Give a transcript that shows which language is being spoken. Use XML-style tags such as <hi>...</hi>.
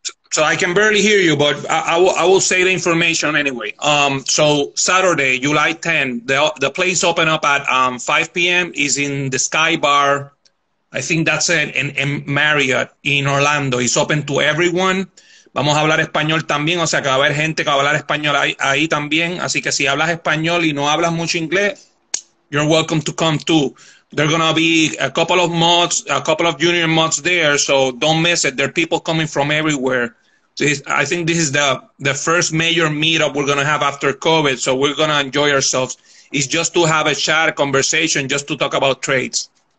<en>So I can barely hear you, but I will say the information anyway. So Saturday, July 10th, the place open up at 5 p.m. is in the Sky Bar. I think that's it, in Marriott in Orlando. It's open to everyone.</en> <es>Vamos a hablar español también. O sea, que va a haber gente que va a hablar español ahí también. Así que si hablas español y no hablas mucho inglés,</es> <en>you're welcome to come too. There's going to be a couple of junior mods there, so don't miss it. There are people coming from everywhere. I think this is the first major meetup we're going to have after COVID, so we're going to enjoy ourselves. It's just to have a chat, a conversation, just to talk about trades.</en>